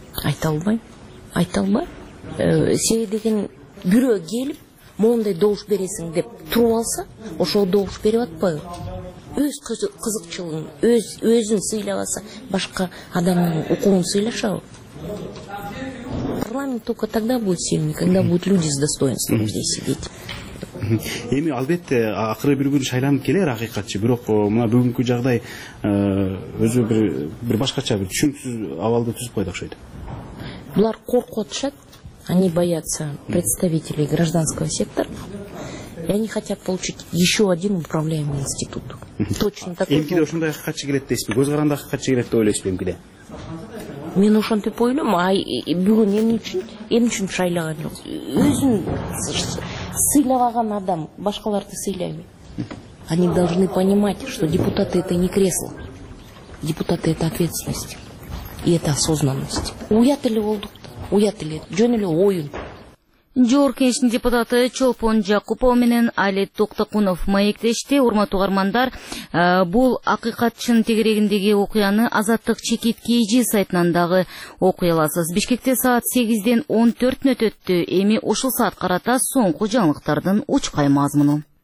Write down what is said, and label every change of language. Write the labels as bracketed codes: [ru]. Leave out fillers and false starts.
[ky] Айта албайм. Айта албайм. Себеби деген бирөө келип моундай добуш бересиң деп туруп алса, ошол добуш берип атпайбы? Өз кызыкчылыгын, өзүн сыйлап алса, башка адамдын укугун сыйлашабы? [ru] Парламент только тогда будет сильный, когда будут люди с достоинством здесь сидеть. [ky] Эми албетте акыры бир күн шайланып келер акыйкатчы, бирок мына бүгүнкү жагдай өзү бир башкача бир түшүнүксүз абалды түзүп койду окшойт. Булар коркуп атышат. [ru] Они боятся представителей гражданского сектора, и они хотят получить еще один управляемый институт. Точно такой. [ky] Эмкиде ошондой акыйкатчы келет дейсизби? Көз каранды акыйкатчы келет деп ойлойсузбу эмкиде? Мен ошентип ойлойм. Ай, бүгүн эмне үчүн шайлаган жок? Өзүн сыйлабаган адам башкаларды сыйлайбы? [ru] Они должны понимать, что депутаты это не кресло. Депутаты это ответственность. И это осознанность. [ky] Уят или олдук? Уят эле жөн эле оюн. Жогорку кеңештин депутаты Чолпон Жакупова менен Али Токтокунов маектешти. Урматтуу угармандар, бул акыйкатчынын тегерегиндеги окуяны Азаттык чекит KG сайтынан дагы окуй аласыз. Бишкекте саат 8:14 өтөттү. Эми ушул саат карата соңку жаңылыктардын учкай мазмуну.